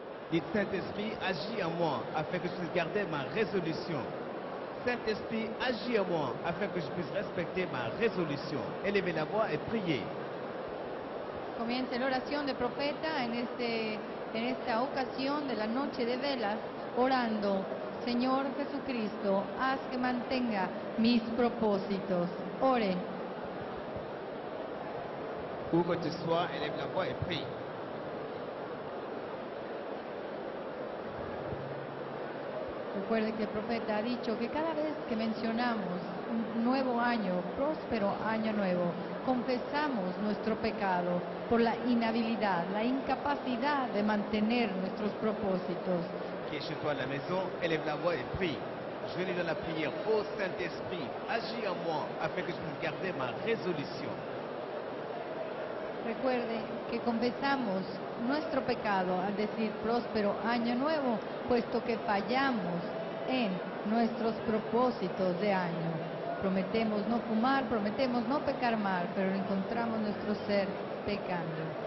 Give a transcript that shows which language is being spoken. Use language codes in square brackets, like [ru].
[fr] Dites, Saint-Esprit, agis en moi afin que je puisse garder ma résolution. Saint-Esprit, agis en moi afin que je puisse respecter ma résolution. Élevez la voix et priez. [es] Comience l'oración de profeta en esta ocasión de la noche de velas, orando, Señor Jesucristo, haz que mantenga mis propósitos. Ore. [fr] Où que tu sois, élève la voix et prie. [es] Recuerde que el profeta ha dicho que cada vez que mencionamos un nuevo año, próspero año nuevo, confesamos nuestro pecado por la inhabilidad, la incapacidad de mantener nuestros propósitos. [fr] Qui est chez toi à la maison, élève la voix et prie. Je vais lui donner la prière. Ô Saint-Esprit, agis en moi afin que je puisse garder ma résolution. [es] Recuerde que confesamos nuestro pecado al decir próspero año nuevo, puesto que fallamos en nuestros propósitos de año. Prometemos no fumar, prometemos no pecar mal, pero encontramos nuestro ser pecando.